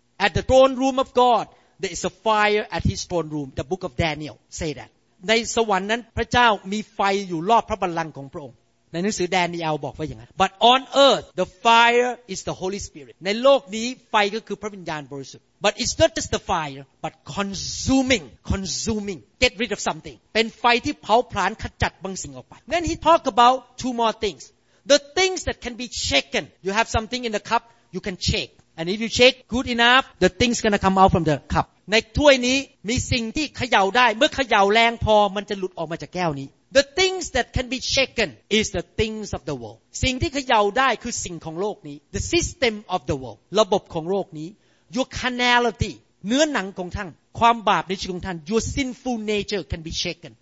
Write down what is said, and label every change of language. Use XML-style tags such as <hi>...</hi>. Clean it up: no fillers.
<en>at the throne room of God there is a fire at his throne room the book of Daniel say that</en> <th>ในสวรรค์นั้นพระเจ้ามีไฟอยู่รอบพระบัลลังก์ของพระองค์ในหนังสือแดเนียลบอกว่าอย่างนั้น</th> <en>But on earth the fire is the Holy Spirit</en> <th>ในโลกนี้ไฟก็คือพระวิญญาณบริสุทธิ์</th> <en>But it's not just the fire, but consuming. Get rid of something.</en> <th>เป็นไฟที่เผาผลาญขจัดบางสิ่งออกไป</th> <en>Then he talk about two more things. The things that can be shaken. You have something in the cup, you can shake. And if you shake good enough, the things gonna come out from the cup.</en> <th>ในถ้วยนี้มีสิ่งที่เขย่าได้เมื่อเขย่าแรงพอมันจะหลุดออกมาจากแก้วนี้</th> <en>The things that can be shaken is the things of the world.</en> <th>สิ่งที่เขย่าได้คือสิ่งของโลกนี้</th> <en>The system of the world.</en> <th>ระบบของโลกนี้</th> <en>Your carnality,</en> <th>เนื้อหนังของท่านความบาปในชีวิตของท่าน</th> <en>Your sinful nature can be shaken.</en>